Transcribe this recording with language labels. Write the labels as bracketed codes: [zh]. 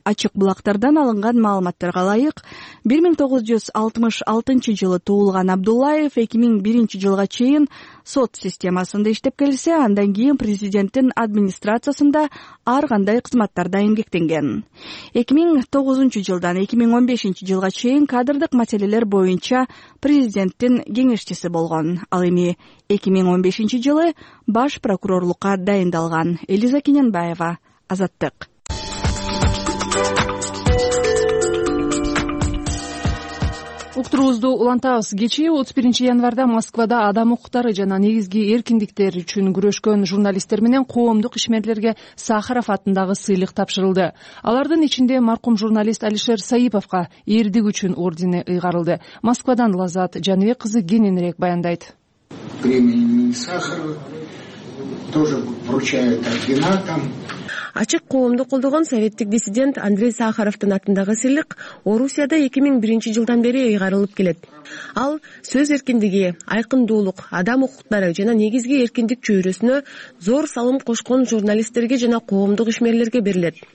[ky] Ачык булактардан алынган маалыматтарга ылайык, 1966 жылы туулган Абдуллаев 2001 жылга чейин сот системасында иштеп келсе, андан кийин президенттин администрациясында ар кандай кызматтарда эмгектенген. 2009 жылдан 2015 жылга чейин кадрдык маселелер боюнча президенттин кеңешчиси болгон. Ал эми 2015 жылы баш прокурорлукка дайындалган. Элиза Кененбаева, Азаттык. Уктуруубузду улантабыз. Кечээ 31 январда Москвада адам укуктары жана негизги эркиндиктер үчүн күрөшкөн журналисттер менен коомдук ишмерлерге Сахаров атындагы сыйлык тапшырылды. Алардын ичинде маркум журналист Алишер Саиповго эрдиги үчүн ордени ыйгарылды. Москвадан Лазат Жанбек кызы кененирээк баяндайт. [ru] Премия имени Сахарова тоже вручают ордена там. [ky] Ачык коомду колдогон советтик диссидент Андрей Сахаровдун атындагы сыйлык Орусияда 2001 жылдан бери ыйгарылып келет. Ал сөз эркиндиги, айкындуулук, адам укуктары жана негизги эркиндик чөйрөсүнө зор салым кошкон журналисттерге жана коомдук ишмерлерге берилет.